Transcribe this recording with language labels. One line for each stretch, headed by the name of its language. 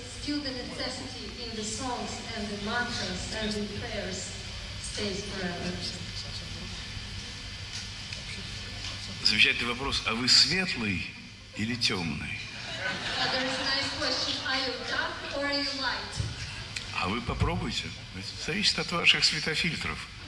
English: still the necessity in the songs and the mantras and the prayers stays forever.
Russian: Замечательный вопрос, а вы светлый или темный?
English: There is a nice question, are you dark or are you light?
Russian: А вы попробуйте. Это зависит от ваших светофильтров.